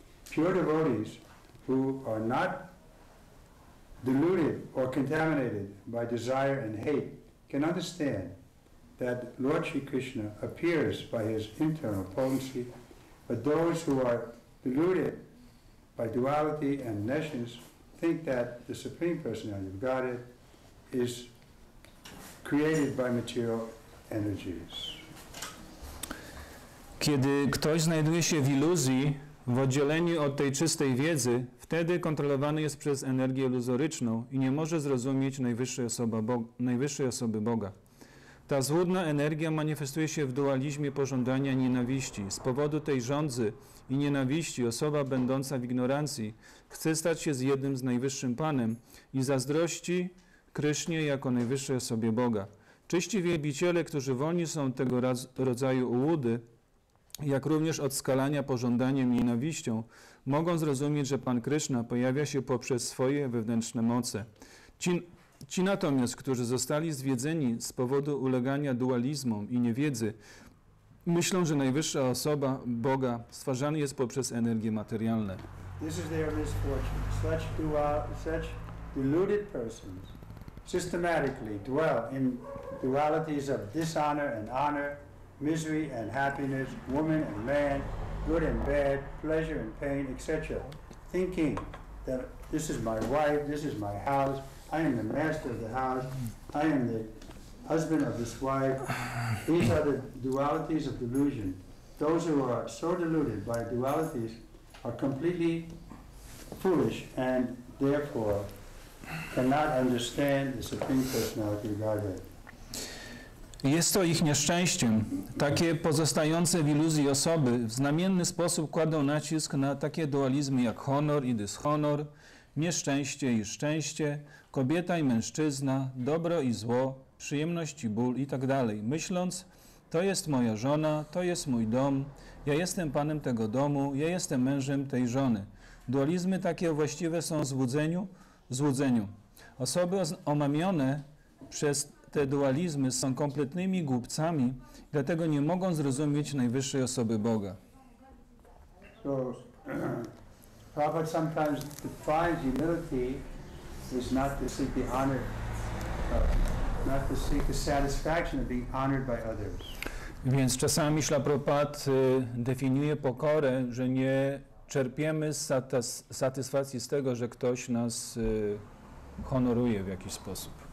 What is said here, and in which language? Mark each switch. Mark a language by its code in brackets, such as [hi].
[en] Pure devotees who are not deluded or contaminated by desire and hate can understand that Lord Sri Krishna appears by his internal potency. But those who are deluded by duality and nations think that the Supreme Personality of Godhead is created by material energies. [pl] Kiedy ktoś znajduje się w iluzji, w oddzieleniu od tej czystej wiedzy, wtedy kontrolowany jest przez energię iluzoryczną i nie może zrozumieć najwyższej osoby Boga. Ta złudna energia manifestuje się w dualizmie pożądania nienawiści. Z powodu tej żądzy i nienawiści osoba będąca w ignorancji chce stać się z jednym z najwyższym Panem i zazdrości Krysznie jako najwyższej osobie Boga. Czyści wielbiciele, którzy wolni są od tego rodzaju ułudy, jak również od skalania pożądaniem i nienawiścią, mogą zrozumieć, że Pan Kryszna pojawia się poprzez swoje wewnętrzne moce. Ci natomiast, którzy zostali zwiedzeni z powodu ulegania dualizmom i niewiedzy, myślą, że najwyższa osoba Boga stwarzana jest poprzez energie materialne. [en] This is their misfortune. Such deluded persons systematically dwell in dualities of dishonor and honor, misery and happiness, woman and man, good and bad, pleasure and pain, etc. Thinking that this is my wife, this is my house, I am the master of the house, I am the husband of this wife. These are the dualities of delusion. Those who are so deluded by dualities are completely foolish and therefore cannot understand the Supreme Personality of Godhead. [pl] Jest to ich nieszczęściem. Takie pozostające w iluzji osoby w znamienny sposób kładą nacisk na takie dualizmy jak honor i dyshonor, nieszczęście i szczęście, kobieta i mężczyzna, dobro i zło, przyjemność i ból i tak dalej. Myśląc, to jest moja żona, to jest mój dom, ja jestem panem tego domu, ja jestem mężem tej żony. Dualizmy takie właściwe są złudzeniu. Osoby omamione przez te dualizmy są kompletnymi głupcami, dlatego nie mogą zrozumieć najwyższej osoby Boga. [en] So, Prabhupada sometimes defines humility is not to seek the honor, not to seek the satisfaction of being honored by others. [pl] Więc czasami Śla Prabhupada definiuje pokorę, że nie czerpiemy satysfakcji z tego, że ktoś nas honoruje w jakiś sposób.